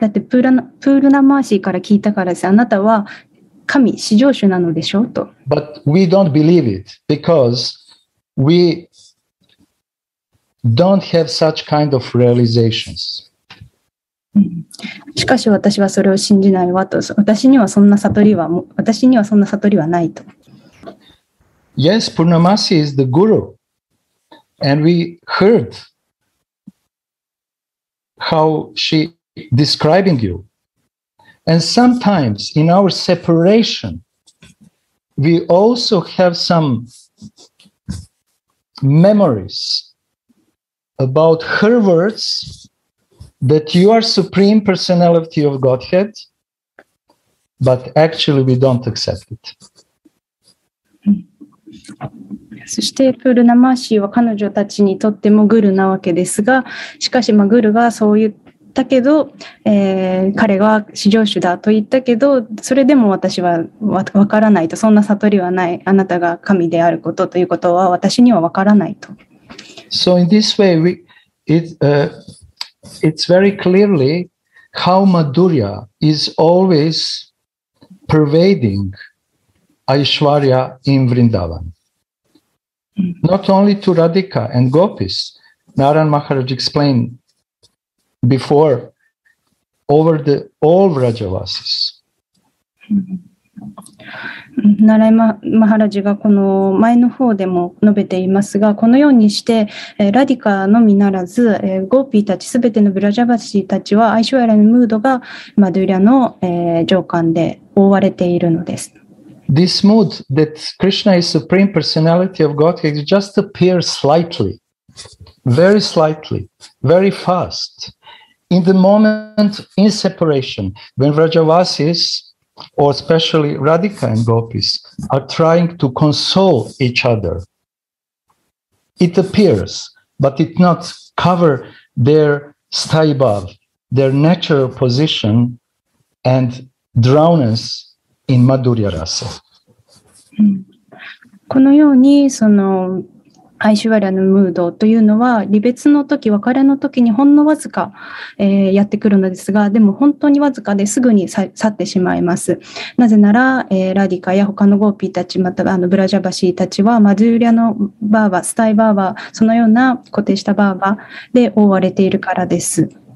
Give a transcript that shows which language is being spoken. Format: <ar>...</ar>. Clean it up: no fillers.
<ja>だってプールナマーシーから聞いたからです。あなたは神、至上主なのでしょうと。</ja> <en>But we don't believe it because we don't have such kind of realizations.</en> <ja>しかし私はそれを信じないわと私にはそんな悟りはないと</ja> <en>Yes, Purnamasi is the guru and we heard how she describing you and sometimes in our separation we also have some memories about her wordsThat you are supreme personality of Godhead, but actually we don't accept it.</en> <ja>そしてプールナマーシーは彼女たちにとってもグルなわけですが、しかしグルがそう言ったけど、彼は至上主だと言ったけど、それでも私はわからないと、そんな悟りはない、あなたが神であることということは私にはわからないと。</ja> <en>So in this way, It's very clearly how Madhurya is always pervading Aishwarya in Vrindavan. Not only to Radhika and Gopis, Narayan Maharaj explained before, over the all Vrajavasis.</en> <ja>Narayan Maharaj がこの前の方でも述べていますが、このようにして、ラディカのみならず、ゴーピーたち、すべてのブラジャバシーたちは、アイシュワラのムードがマドゥリアの、上巻で覆われているのです。</ja> <en>This mood that Krishna is supreme personality of Godhead just appears slightly, very slightly, very fast, in the moment in separation, when Vrajavasis,or especially Radhika and Gopis, are trying to console each other. It appears, but it not cover their sthaibhav, their natural position and drownness in madhurya rasa.</en> <ja>このようにそのアイシュワリアのムードというのは離別の時、別れの時にほんのわずか、やってくるのですが、でも本当にわずかですぐに去ってしまいます。なぜなら、ラディカや他のゴーピーたち、またあのブラジャバシーたちはマズーリアのバーバ、スタイバーバ、そのような固定したバーバで覆われているからです。</ja>